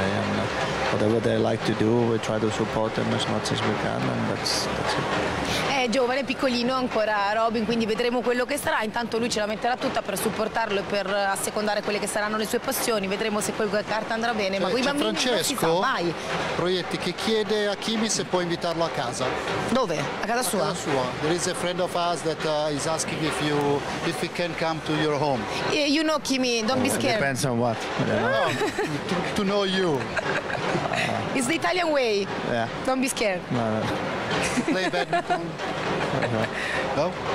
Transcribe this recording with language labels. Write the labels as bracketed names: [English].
[English] And whatever they like to do, we try to support them as much as we can, and that's it. [Italian] È giovane, piccolino ancora Robin, quindi vedremo quello che sarà. Intanto lui ce la metterà tutta per supportarlo e per assecondare quelle che saranno le sue passioni. Vedremo se quel kart andrà bene. Cioè, ma quei bambini Francesco, non si sa mai. Proietti, che chiede a Kimi se può invitarlo a casa. Dove? A casa sua? A casa sua. [English] There is a friend of us that is asking if he can come to your home. Yeah, you know Kimi, don't be scared. It depends on what. Yeah. No, to know you. It's the Italian way. Yeah. Don't be scared. No, no. Play badminton? No?